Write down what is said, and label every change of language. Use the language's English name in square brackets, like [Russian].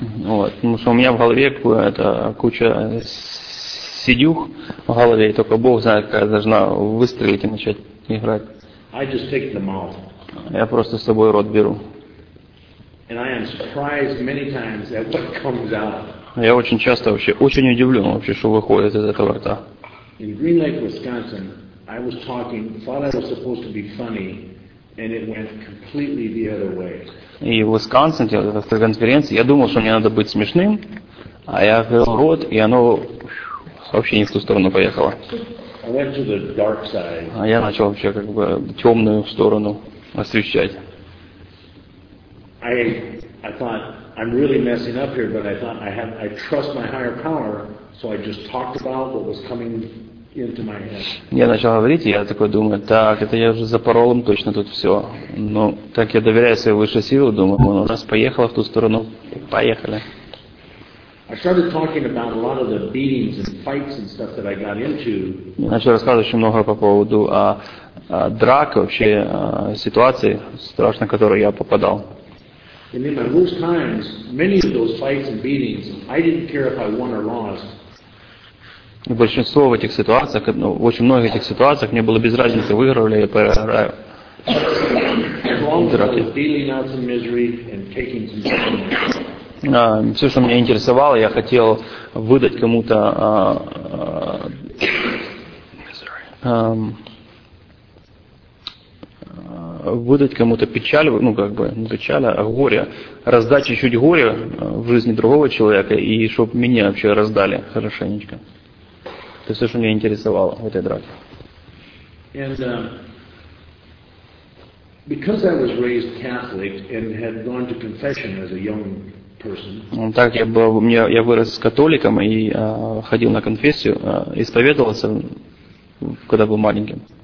[Russian] Вот, потому что у меня в голове это куча сидюх в голове, и только Бог знает, как я должна выстрелить и начать играть. [English] I just take them out. [Russian] Я просто с собой рот беру. [English] And I am surprised many times at what comes out. [Russian] Я очень часто вообще очень удивлен вообще, что выходит из этого рта. [English] In Green Lake, Wisconsin, I was talking, thought I was supposed to be funny, and it went completely the other way. [Russian] И в Висконсине, в этой конференции, я думал, что мне надо быть смешным, а я открыл рот, и оно вообще не в ту сторону поехало. [English] I went to the dark side. [Russian] А я начал вообще как бы темную сторону освещать. [English] I I thought, I'm really messing up here, but I thought, I trust my higher power, so I just talked about what was coming into my head. [Russian] Я начал говорить, и я такой думаю, так, это я уже за паролом точно тут все. Но так я доверяю своей высшей силе, думаю, ну раз поехала в ту сторону, поехали. [English] I started talking about a lot of the beatings and fights and stuff that I got into. [Russian] Я начал рассказывать очень много по поводу драк, вообще ситуации страшной, в которую я попадал. [English] And in my worst times, many of those fights and beatings, I didn't care if I won or lost. [Russian] И большинство в этих ситуациях, ну, в очень многих этих ситуациях мне было без разницы, выиграю ли я, проиграю. [English] As long as I was dealing out some misery and taking some suffering. [Russian] Все, что меня интересовало, я хотел выдать кому-то выдать кому-то печаль, ну как бы не печаль, а горе, раздать чуть-чуть горе в жизни другого человека, и чтобы меня вообще раздали хорошенечко. Это все, что меня интересовало в этой драке. [English] Because I was raised Catholic and had gone to confession as a young person. [Russian] Так я был, я вырос католиком и ходил на конфессию, исповедовался, когда был маленьким.